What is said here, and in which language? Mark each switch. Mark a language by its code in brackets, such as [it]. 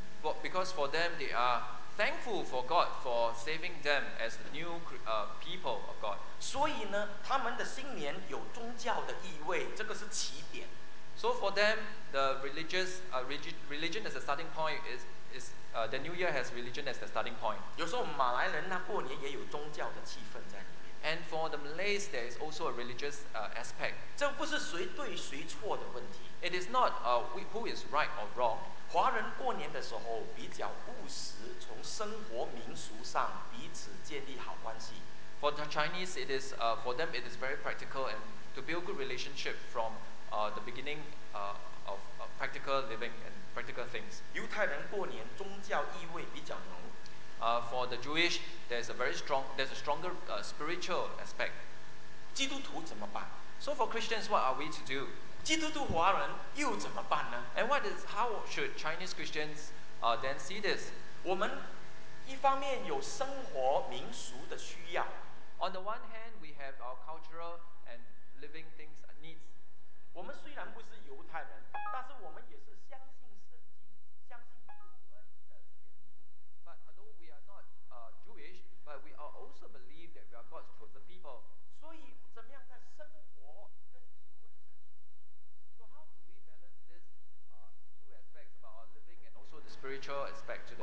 [en] But because for them, they are thankful for God for saving them as the new people of God. [zh] 所以呢，他们的新年有宗教的意味，这个是起点。 [en] So for them, the religion as a starting point is the New Year has religion as the starting point. [zh] 有时候马来人那过年也有宗教的气氛在里面。 [en] And for the Malays, there is also a religious aspect. [zh] 这不是谁对谁错的问题。 [en] It is not who is right or wrong. [zh] 华人过年的时候比较务实，从生活民俗上彼此建立好关系。 [en] For the Chinese, it is for them it is very practical and to build good relationship from. The beginning of practical living and practical things. [zh] 犹太人过年宗教意味比较浓。 [en] For the Jewish, there's a very strong, there's a stronger spiritual aspect. [zh] 基督徒怎么办? [en] So for Christians, what are we to do? [zh] 基督徒华人又怎么办呢? [en] And what is, how should Chinese Christians then see this? [zh] 我们一方面有生活民俗的需要。 [en] On the one hand, we have our cultural and living things needs. [zh] 我们虽然不是犹太人, 但是我们也是相信圣经，相信救恩的源头。 [en] But although we are not Jewish, but we are also believe that we are God's chosen people. [zh] 所以怎么样在生活跟救恩上？ [en] So how do we balance this two aspects about our living and also the spiritual aspect to the